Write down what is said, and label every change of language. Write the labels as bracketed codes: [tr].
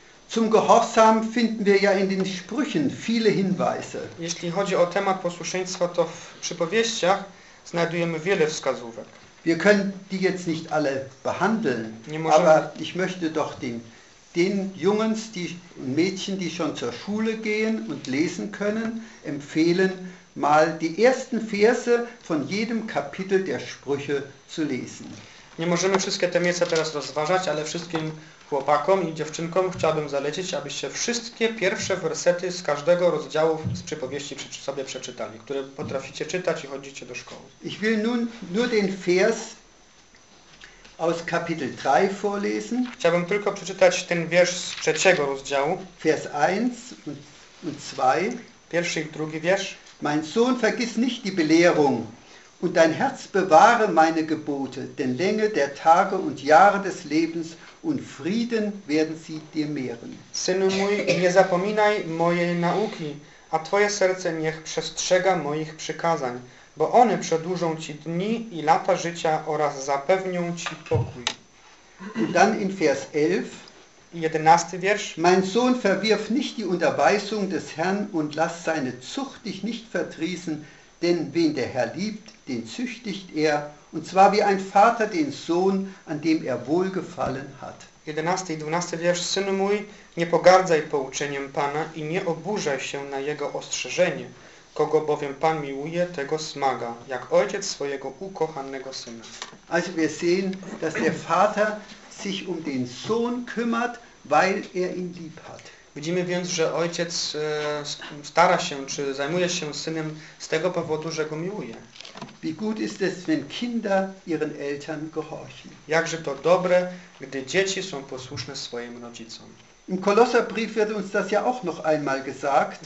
[de] Zum Gehorsam finden wir ja in den Sprüchen viele Hinweise. [pl] Jeśli chodzi o temat posłuszeństwa, to w przypowieściach znajdujemy wiele wskazówek. [de] Wir können die jetzt nicht alle behandeln, aber ich möchte doch den Jungens, die Mädchen, die schon zur Schule gehen und lesen können, empfehlen, mal die ersten Verse von jedem Kapitel der Sprüche zu lesen. [pl] Nie możemy wszystkie te miejsca teraz rozważać, ale wszystkim chłopakom i dziewczynkom chciałbym zalecić, abyście wszystkie pierwsze wersety z każdego rozdziału z przypowieści sobie przeczytali, które potraficie czytać i chodzicie do szkoły. [de] Ich will nur den Vers aus Kapitel 3 vorlesen. [pl] Chciałbym tylko przeczytać ten wiersz z trzeciego rozdziału. [de] Vers 1 und 2. [pl] Pierwszy i drugi wiersz. [de] Mein Sohn, vergiss nicht die Belehrung. Und dein Herz bewahre meine Gebote, denn Länge der Tage und Jahre des Lebens und Frieden werden sie dir mehren. [pl] Synu mój, nie zapominaj mojej nauki, a twoje serce niech przestrzega moich przykazań, bo one przedłużą ci dni i lata życia oraz zapewnią ci pokój. [de] Und dann in Vers 11. [pl] 11. wiersz. [de] Mein Sohn, verwirf nicht die Unterweisung des Herrn und lass seine Zucht dich nicht verdrießen, denn wen der Herr liebt, den züchtigt er, und zwar wie ein Vater den Sohn, an dem er wohlgefallen hat. [pl] 11 i 12 wiersz, synu mój, nie pogardzaj pouczeniem Pana i nie oburzaj się na jego ostrzeżenie. Kogo bowiem Pan miłuje, tego smaga, jak ojciec swojego ukochanego syna. [de] Also wir sehen, dass der Vater sich um den Sohn kümmert, weil er ihn lieb hat. [pl] Widzimy więc, że ojciec stara się, czy zajmuje się synem z tego powodu, że go miłuje. [de] Wie gut ist es, wenn Kinder ihren Eltern gehorchen. [pl] Jakże to dobre, gdy dzieci są posłuszne swoim rodzicom. [de] Im Kolosserbrief wird uns das ja auch noch einmal gesagt.